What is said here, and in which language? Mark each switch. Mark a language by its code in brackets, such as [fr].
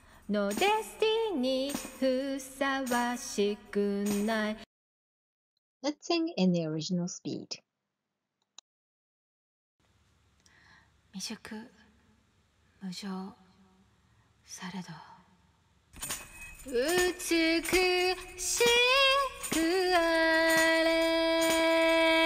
[en] No destiny [ja] ふさわしくない。 [en] Let's sing in the original speed. [ja] 未熟、無情、されど、美しくあれ。